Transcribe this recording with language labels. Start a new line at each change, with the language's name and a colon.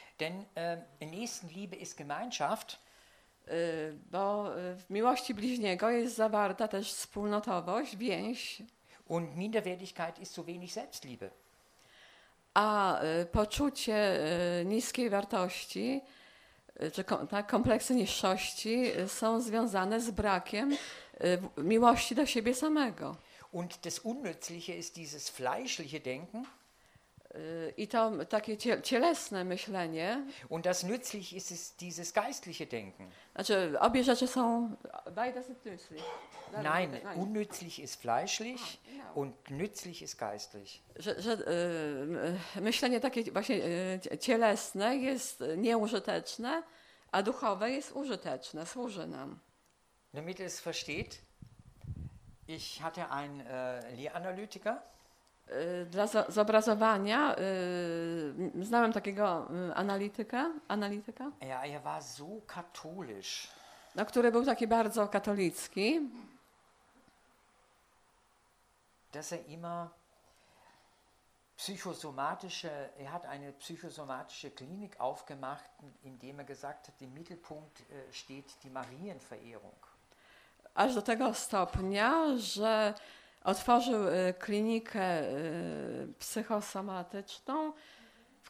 German: Denn Nächstenliebe ist Gemeinschaft.
Polish: Bo w miłości bliźniego jest zawarta też wspólnotowość, więź.
German: Und Minderwertigkeit ist so wenig Selbstliebe.
Polish: A poczucie niskiej wartości, czy kompleksy niższości są związane z brakiem miłości do siebie samego.
German: Und das Unnützliche ist dieses fleischliche Denken.
Polish: I to takie cielesne myślenie.
German: Und das Nützliche ist dieses geistliche Denken.
Polish: Znaczy, obie rzeczy są.
German: Beides ist nützlich. Nein, unnützlich ist fleischlich und nützlich ist geistlich.
Polish: Że myślenie takie właśnie cielesne jest nieużyteczne, a duchowe jest użyteczne, służy nam.
German: Damit es versteht, ich hatte ein Lehranalytiker.
Polish: Dla zobrazowania znałem takiego analityka.
German: Ja, er war so katholisch.
Polish: No, który był taki bardzo katolicki.
German: Dass er immer psychosomatische, er hat eine psychosomatische Klinik aufgemacht, indem er gesagt hat, im Mittelpunkt steht die Marienverehrung.
Polish: Aż do tego stopnia, że otworzył klinikę psychosomatyczną, w